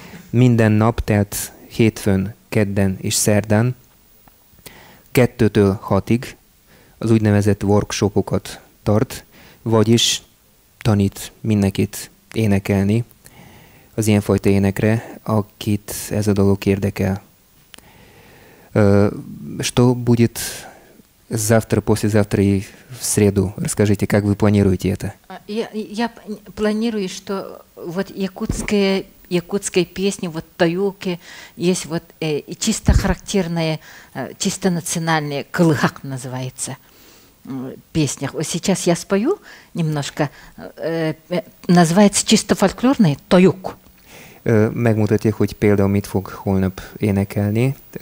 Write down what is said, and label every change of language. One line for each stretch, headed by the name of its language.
Hungarian: Minden nap, tehát hétfőn, kedden és szerdán, 2-től 6-ig az úgynevezett workshopokat tart, vagyis tanít mindenkit énekelni az ilyenfajta énekre, akit ez a dolog érdekel.
Russian: Что будет завтра, послезавтра и в среду? Расскажите, как вы планируете это? Я планирую, что вот якутская песня, вот таюки, есть вот чисто характерная, чисто национальная, кылыхак называется. Песнях. Вот сейчас я спою немножко. Называется чисто фольклорный тоюк.
Hungarian: Megmutatja, hogy például mit fog holnap énekelni.